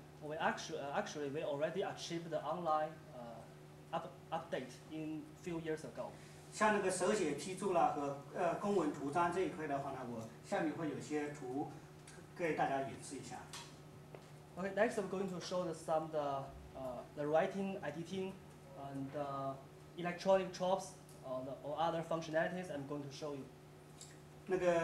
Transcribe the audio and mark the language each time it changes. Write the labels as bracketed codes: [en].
[en] We actually we already achieved the online update in few years ago. [zh] 像那个手写批注啦和公文图章这一块的话呢，我下面会有些图给大家演示一下。 [en] Okay, next I'm going to show some of the writing, editing, and electronic chops or other functionalities I'm going to show you.